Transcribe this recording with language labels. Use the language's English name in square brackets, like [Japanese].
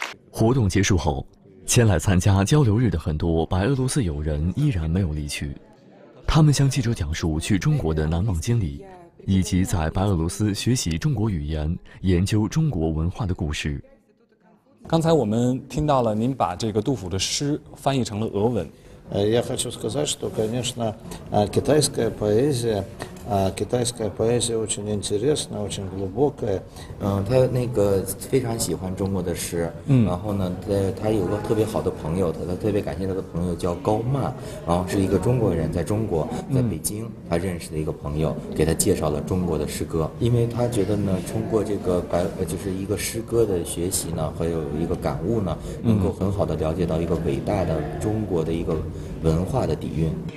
[Chinese] 活动结束后，前来参加交流日的很多白俄罗斯友人依然没有离去，他们向记者讲述去中国的难忘经历，以及在白俄罗斯学习中国语言、研究中国文化的故事。刚才我们听到了您把这个杜甫的诗翻译成了俄文， [Russian] Я хочу сказать, что, конечно, китайская поэзия очень интересная, очень глубокая. [Chinese] 他非常喜欢中国的诗。然后呢，他有个特别好的朋友，他特别感谢他的朋友叫高曼，然后是一个中国人，在中国，在北京，他认识的一个朋友，给他介绍了中国的诗歌。因为他觉得呢，通过这个就是一个诗歌的学习呢，还有一个感悟呢，能够很好的了解到一个伟大的中国的一个文化的底蕴。